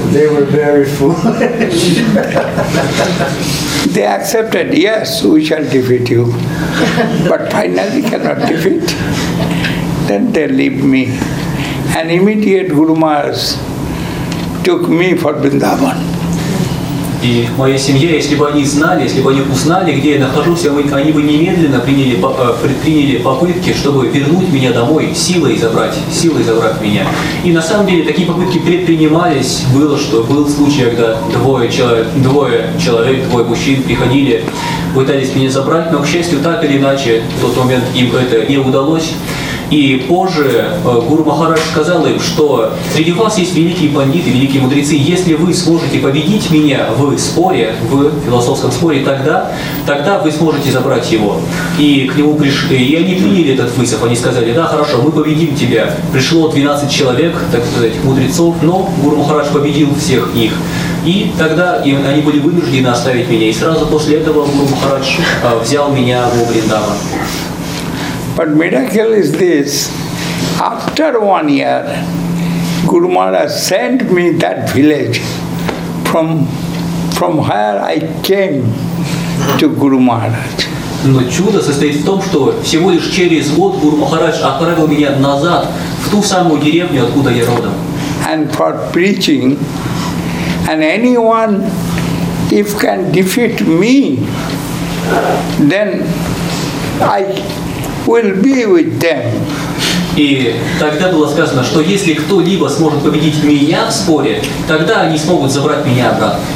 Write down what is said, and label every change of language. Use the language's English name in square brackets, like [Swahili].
[English] They were very foolish. They accepted, yes, we shall defeat you. But finally cannot defeat. Then they leave me. And immediate Guru Maharaj took me for Vrindavan. [Russian] И в моей семье, если бы они знали, если бы они узнали, где я нахожусь, они бы немедленно предприняли попытки, чтобы вернуть меня домой, силой забрать меня. И на самом деле такие попытки предпринимались. Было, что был случай, когда двое мужчин приходили, пытались меня забрать, но, к счастью, так или иначе, в тот момент им это не удалось. И позже Гуру Махарадж сказал им, что среди вас есть великие пандиты, великие мудрецы. Если вы сможете победить меня в споре, в философском споре, тогда вы сможете забрать его. И к нему пришли. И они приняли этот вызов. Они сказали, да, хорошо, мы победим тебя. Пришло 12 человек, так сказать, мудрецов, но Гуру Махарадж победил всех их. И тогда они были вынуждены оставить меня. И сразу после этого Гуру Махарадж взял меня в Вриндаван. [English] But miracle is this, after 1 year, Guru Maharaj sent me that village from where I came to Guru Maharaj. [Russian] Но чудо состоит в том, что всего лишь через год Гуру Махарадж отправил меня назад, в ту самую деревню, откуда я родом. [English] And for preaching, And anyone, if can defeat me, then I will be with them. [Russian] И тогда было сказано, что если кто-либо сможет победить меня в споре, тогда они смогут забрать меня обратно.